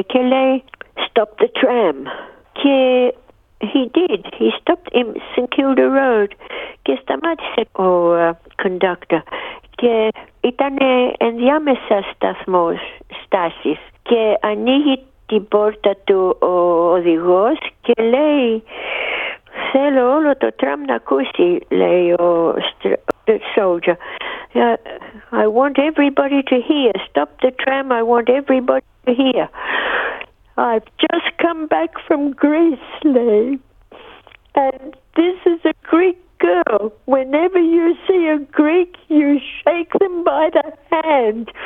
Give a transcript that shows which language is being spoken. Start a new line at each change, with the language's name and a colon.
Greek: Και λέει
English: stop the tram.
Greek: Και
English: he did. He stopped in St. Kilda Road.
Greek: Και σταμάτησε ο conductor. Και ήταν ενδιάμεσα σταθμός, στάσεις. Και ανοίγει την πόρτα του ο οδηγός και λέει, θέλω όλο το τραμ να ακούσει, λέει ο soldier.
English: I want everybody to hear. Stop the tram, I want everybody to hear. I've just come back from Greece, lady. And this is a Greek girl. Whenever you see a Greek, you shake them by the hand.